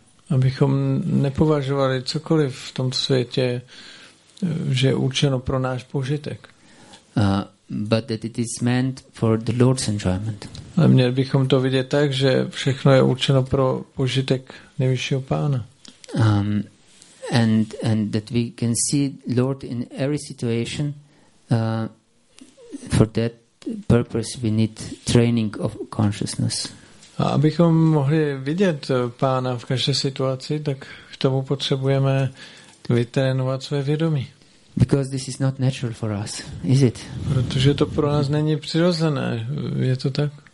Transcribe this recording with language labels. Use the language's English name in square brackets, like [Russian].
[Czech] Abychom nepovažovali cokoliv v tomto světě, že je určeno pro náš požitek. [English] But that it is meant for the Lord's enjoyment. [Czech] Ale měli bychom to vidět tak, že všechno je určeno pro požitek nejvyššího Pána. [English] And that we can see Lord in every situation for that purpose we need training of consciousness. [Czech] A abychom mohli vidět pána v každé situaci, tak k tomu potřebujeme vytrénovat své vědomí. [English] Because this is not natural for us, is it? [Czech] Protože to pro nás není přirozené, je to tak?